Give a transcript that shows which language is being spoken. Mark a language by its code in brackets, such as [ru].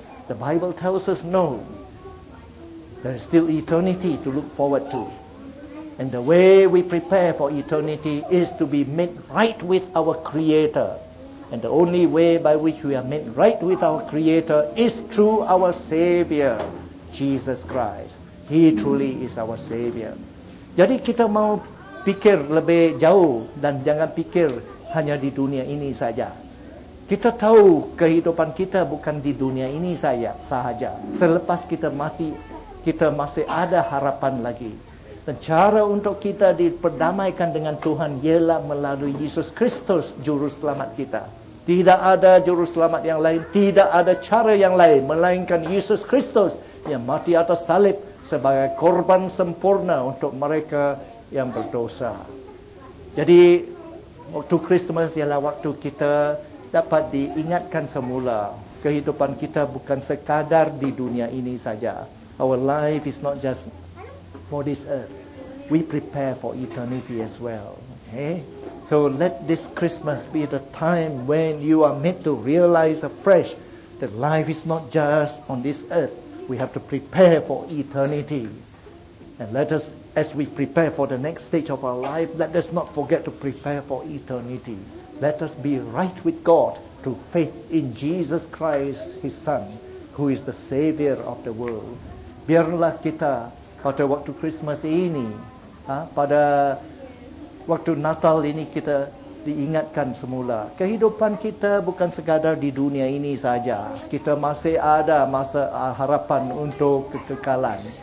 [en] The Bible tells us no. There is still eternity to look forward to. And the way we prepare for eternity is to be made right with our Creator. And the only way by which we are made right with our Creator is through our Savior, Jesus Christ. He truly is our Savior. [ms] Jadi kita mau pikir lebih jauh dan jangan pikir hanya di dunia ini saja. Kita tahu kehidupan kita bukan di dunia ini sahaja. Selepas kita mati, kita masih ada harapan lagi. Dan cara untuk kita diperdamaikan dengan Tuhan ialah melalui Yesus Kristus, Juru Selamat kita. Tidak ada Juru Selamat yang lain, tidak ada cara yang lain melainkan Yesus Kristus yang mati atas salib sebagai korban sempurna untuk mereka yang berdosa. Jadi, waktu Christmas ialah waktu kita dapat diingatkan semula. Kehidupan kita bukan sekadar di dunia ini saja. [en] Our life is not just for this earth. We prepare for eternity as well. Okay? So let this Christmas be the time when you are made to realize afresh that life is not just on this earth. We have to prepare for eternity. And let us, as we prepare for the next stage of our life, let us not forget to prepare for eternity. Let us be right with God through faith in Jesus Christ, His Son, who is the Savior of the world. [ms] Biarlah kita pada waktu Christmas ini, pada waktu Natal ini kita diingatkan semula. Kehidupan kita bukan sekadar di dunia ini saja. Kita masih ada masa harapan untuk kekekalan.